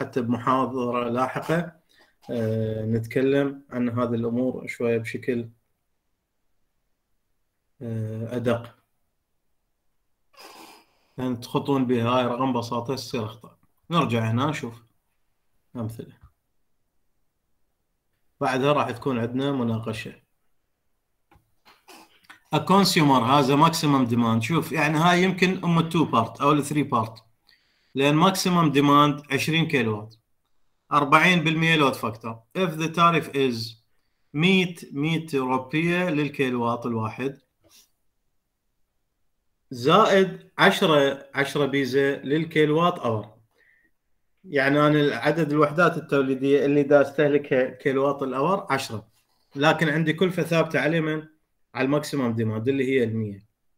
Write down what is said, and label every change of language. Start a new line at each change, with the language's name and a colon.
Arabic: حتى بمحاضرة لاحقة نتكلم عن هذه الأمور شوية بشكل أدق، لأن تخطون بها رغم بساطة تصير أخطاء. نرجع هنا نشوف أمثلة بعدها، راح تكون عندنا مناقشة.
English: A consumer has a maximum demand.
Arabic: شوف يعني هاي يمكن ام التو بارت او الثري بارت، لان maximum demand 20 كيلو وات 40% لود فاكتور.
English: If the tariff is 100
Arabic: روبية للكيلو وات الواحد زائد 10 بيزة للكيلو وات اور، يعني انا عدد الوحدات التوليدية اللي دا استهلكها كيلو وات الاور 10، لكن عندي كلفة ثابتة عليه من على الماكسيمم ديماند اللي هي المية.